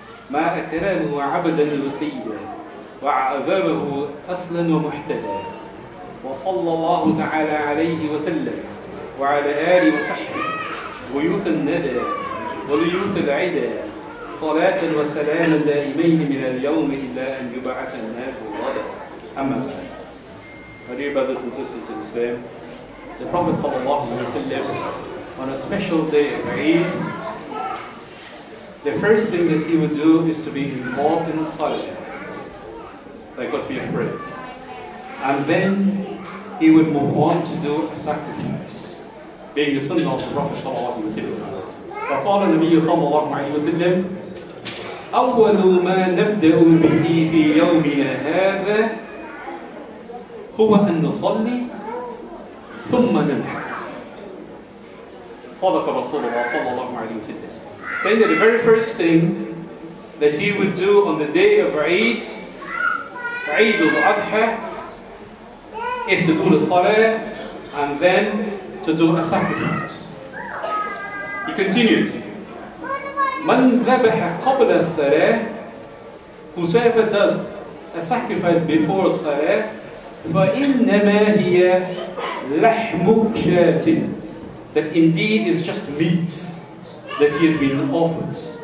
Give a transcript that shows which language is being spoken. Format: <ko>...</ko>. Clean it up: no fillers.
<ar>ما أكرمه عبدا وسيدا وعذبه أصلا ومحتدا وصلى الله تعالى عليه وسلم وعلى آله وصحبه ضيوف الندى وضيوف العدى صلاة وسلاما دائمين من اليوم إلى أن يبعث الناس غدا أما بعد.</ar> <en>My dear brothers and sisters in Islam, the Prophet ﷺ, on a special day of Eid, the first thing that he would do is to be involved in the salah, like what we have prayed. And then he would move on to do a sacrifice, being the sunnah of the Prophet ﷺ.</en> <ar>فَقَالَ النَّبِيُّ صَلَّى اللَّهُ عَلَيْهِ وَسَلَّمَ أَوَّلُ مَا نَبْدَأُ بِهِ فِي يَوْمِنَا هَذَا هو أن نصلي ثم نذهب. صدق رسول الله صلى الله عليه وسلم.</ar> <en>Saying that the very first thing that he would do on the day of Eid, Eid al-Adha, is to do the salah and then to do a sacrifice. He continued,</en> <ar>من ذبح قبل الصلاة,</ar> <en>whosoever does a sacrifice before salah,</en> <ar>فَإِنَّمَا هِيَ لَحْمُ شَاتٍ,</ar> <en>that indeed is just meat that he has been offered,</en>